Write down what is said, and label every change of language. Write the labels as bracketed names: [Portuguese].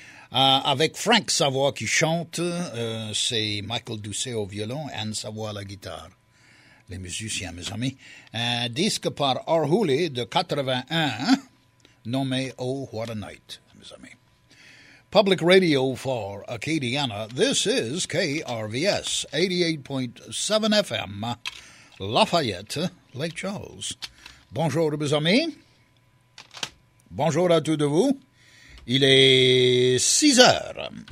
[French] Avec Frank Savoie qui chante, c'est Michael Doucet au violon, Anne Savoie à la guitare. Les musiciens, mes amis. Un disque par Orhouli de 81, nommé Oh What a Night, mes amis. [English] Public Radio for Acadiana, this is KRVS, 88.7 FM, Lafayette, Lake Charles. [French] Bonjour, mes amis. Bonjour à tous de vous. Il est 6 heures.